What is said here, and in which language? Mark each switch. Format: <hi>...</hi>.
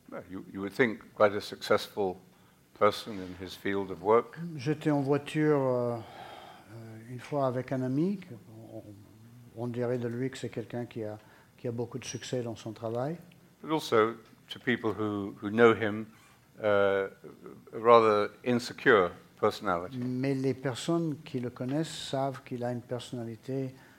<en>You would think quite a successful person in his field of work.</en> <fr>J'étais en voiture une fois avec un ami. On dirait de lui que c'est quelqu'un qui a beaucoup de succès dans son travail.</fr> <en>But also to people who know him, a rather insecure personality.</en> <fr>Mais les personnes qui le connaissent savent qu'il a une personnalité.</fr>